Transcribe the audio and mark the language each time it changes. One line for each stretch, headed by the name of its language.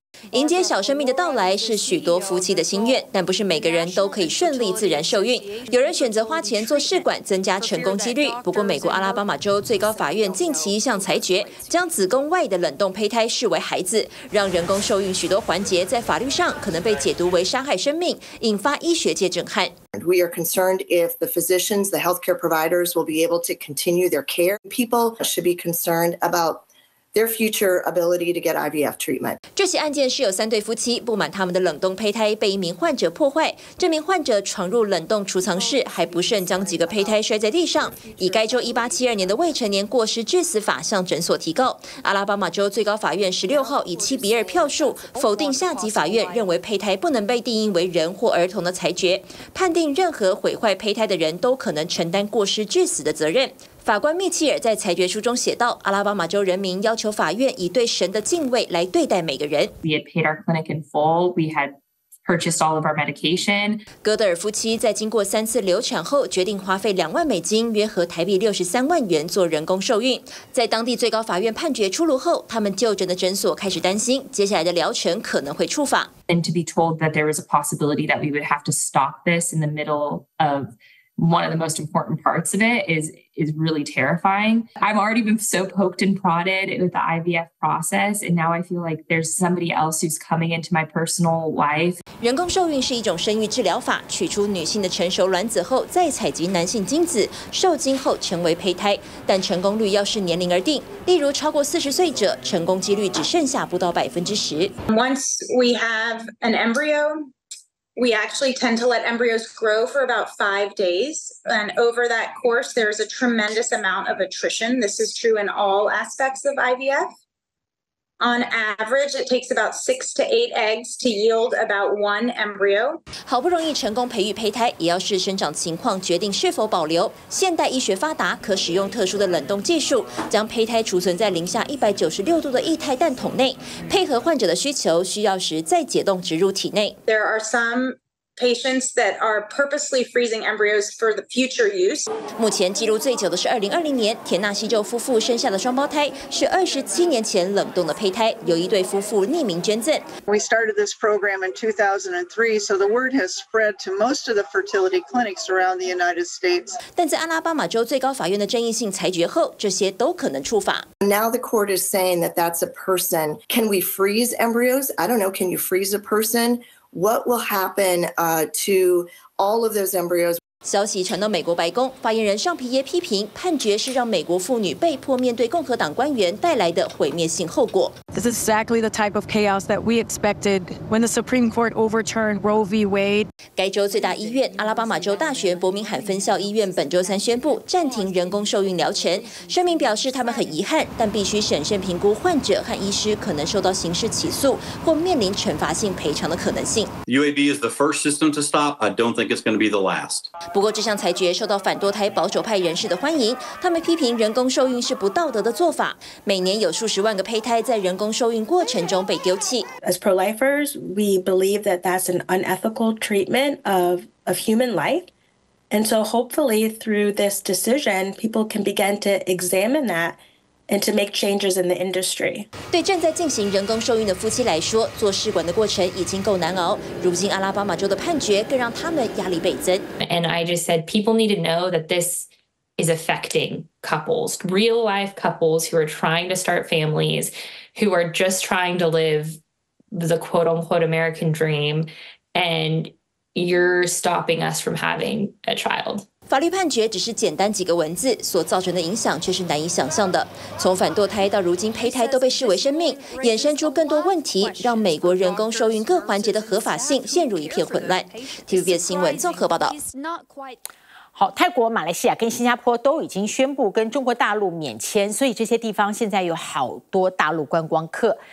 Chinese: 迎接小生命的到来是许多夫妻的心愿，但不是每个人都可以顺利自然受孕。有人选择花钱做试管，增加成功几率。不过，美国阿拉巴马州最高法院近期一项裁决，将子宫外的冷冻胚胎视为孩子，让人工受孕许多环节在法律上可能被解读为杀害生命，引发医学界震撼。
English: We are concerned if the physicians, the healthcare providers, will be able to continue their care. People should be concerned about their future ability to get IVF treatment.
Chinese: 这起案件是有三对夫妻不满他们的冷冻胚胎被一名患者破坏，这名患者闯入冷冻储藏室，还不慎将几个胚胎摔在地上，以该州1872年的未成年过失致死法向诊所提告。阿拉巴马州最高法院16号以7-2票数否定下级法院认为胚胎不能被定义为人或儿童的裁决，判定任何毁坏胚胎的人都可能承担过失致死的责任。法官密切尔在裁决书中写道：“阿拉巴马州人民要求法院以对神的敬畏来对待每个人。”
English: We had paid our clinic in full. We had purchased all of our medication.
Chinese: 戈德尔夫妻在经过三次流产后，决定花费$20,000，约合台币63万元做人工受孕。在当地最高法院判决出炉后，他们就诊的诊所开始担心接下来的疗程可能会触法。
English: And to be told that there was a possibility that we would have to stop this in the middle of one of the most important parts of it is really terrifying. I've already been so poked and prodded with the IVF process, and now I feel like there's somebody else who's coming into my personal life.
Chinese: 人工受孕是一种生育治疗法，取出女性的成熟卵子后再采集男性精子，受精后成为胚胎。但成功率要视年龄而定，例如超过40岁者，成功几率只剩下不到10%。
English: Once we have an embryo,We actually tend to let embryos grow for about 5 days. And over that course, there's a tremendous amount of attrition. This is true in all aspects of IVF. On average, it takes about 6 to 8 eggs to yield about 1 embryo.
Chinese: 好不容易成功培育胚胎，也要视生长情况决定是否保留。现代医学发达，可使用特殊的冷冻技术，将胚胎储存在零下196度的液态氮桶内，配合患者的需求，需要时再解冻植入体内。
English: There are some patients that are purposely freezing embryos for the future use.
Chinese: 目前记录最久的是2020年，田纳西州夫妇生下的双胞胎是27年前冷冻的胚胎，由一对夫妇匿名捐赠。
English: We started this program in 2003, so the word has spread to most of the fertility clinics around the United States.
Chinese: 但在阿拉巴马州最高法院的争议性裁决后，这些都可能触法。
English: Now the court is saying that that's a person. Can we freeze embryos? I don't know. Can you freeze a person? What will happen, to all of those embryos?
Chinese: 消息传到美国白宫，发言人尚皮耶批评判决是让美国妇女被迫面对共和党官员带来的毁灭性后果。
English: This is exactly the type of chaos that we expected when the Supreme Court overturned Roe v. Wade.
Chinese: 该州最大医院阿拉巴马州大学伯明翰分校医院本周三宣布暂停人工受孕疗程，声明表示他们很遗憾，但必须审慎评估患者和医师可能受到刑事起诉或面临惩罚性赔偿的可能性。
English: UAB is the first system to stop. I don't think it's going to be the last.
Chinese: 不过，这项裁决受到反堕胎保守派人士的欢迎。他们批评人工受孕是不道德的做法。每年有数十万个胚胎在人工受孕过程中被丢弃。
English: As pro-lifers, we believe that that's an unethical treatment of human life, and so hopefully through this decision, people can begin to examine that. And to make changes in the industry.
Chinese: 对正在进行人工受孕的夫妻来说，做试管的过程已经够难熬。如今阿拉巴马州的判决更让他们压力倍增。
English: And I just said, people need to know that this is affecting couples, real life couples who are trying to start families, who are just trying to live the quote unquote American dream, and you're stopping us from having a child.
Chinese: 法律判决只是简单几个文字，所造成的影响却是难以想象的。从反堕胎到如今胚胎都被视为生命，衍生出更多问题，让美国人工受孕各环节的合法性陷入一片混乱。 TVBS 新闻综合报道。好，泰国、马来西亚跟新加坡都已经宣布跟中国大陆免签，所以这些地方现在有好多大陆观光客。